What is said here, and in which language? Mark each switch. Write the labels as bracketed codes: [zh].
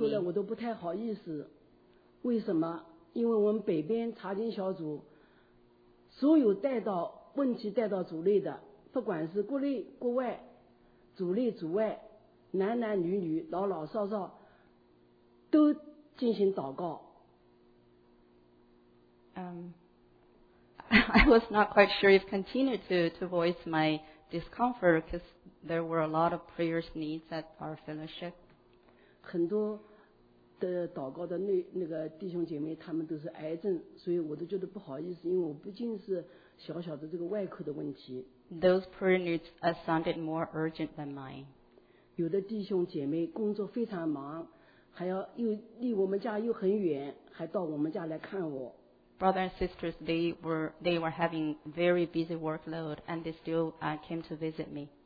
[zh] 后来我都不太好意思，为什么？因为我们北边查经小组，所有带到问题带到组内的，不管是国内国外，组内组外，男男女女，老老少少，都进行祷告。 [en] I was not quite sure if continued to voice my discomfort because there were a lot of prayers needs at our fellowship. [zh] 很多的祷告的那个弟兄姐妹，他们都是癌症，所以我都觉得不好意思，因为我毕竟是小小的这个外科的问题。 [en] Those prayer needs sounded more urgent than mine. [zh] 有的弟兄姐妹工作非常忙，还要又离我们家又很远，还到我们家来看我。 [en] Brothers and sisters, they were having very busy workload and they still came to visit me.